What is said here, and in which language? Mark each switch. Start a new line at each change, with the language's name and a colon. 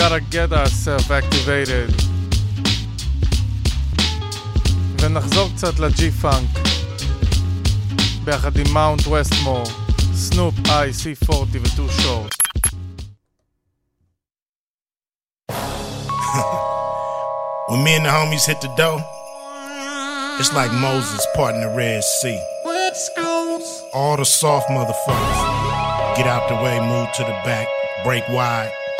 English: Get ourselves activated.
Hebrew: ונחזור קצת לג'י-פאנק ביחד עם מאונט וסטמור, סנופ, איי, סי 40 וטו שורט.
English: When me and the homies hit the door, it's like Moses parting the Red Sea. Let's go. All the soft motherfuckers get out the way, move to the back, break wide.